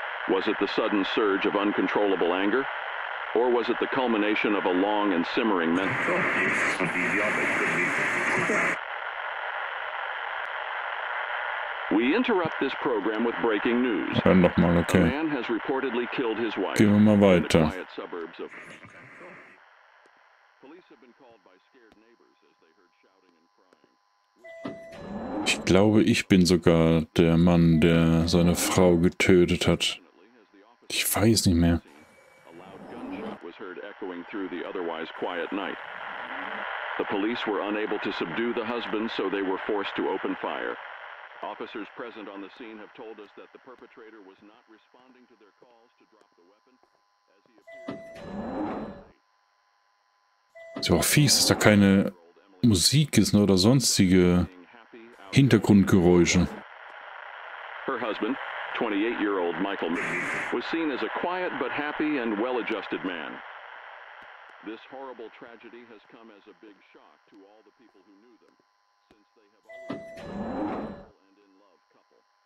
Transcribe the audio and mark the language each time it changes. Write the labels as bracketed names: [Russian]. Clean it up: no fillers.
[English] Was it the sudden surge of uncontrollable anger? Or was it the culmination of a long and simmering We interrupt this program with breaking news. [German] Ja, nochmal, okay. [English] A man has reportedly killed his wife. [German] Gehen wir mal weiter. [English] In the quiet suburbs of... Police have been called by scared neighbors as they heard shouting and crying. [German] Ich glaube, ich bin sogar der Mann, der seine Frau getötet hat. Ich weiß nicht mehr. [English] A loud gunshot was heard echoing through the otherwise quiet night. The police were unable to subdue the husband, so they were forced to open fire. Officers present on the scene have told us that the perpetrator was not responding to their calls to drop the weapon as he appeared. [German] Ist aber auch fies, dass da keine Musik ist oder sonstige Hintergrundgeräusche. [English] Her husband, 28-year-old Michael, was seen as a quiet but happy and well-adjusted man. This horrible tragedy has come as a big shock to all the people who knew them. since they have always been a beautiful and in love couple.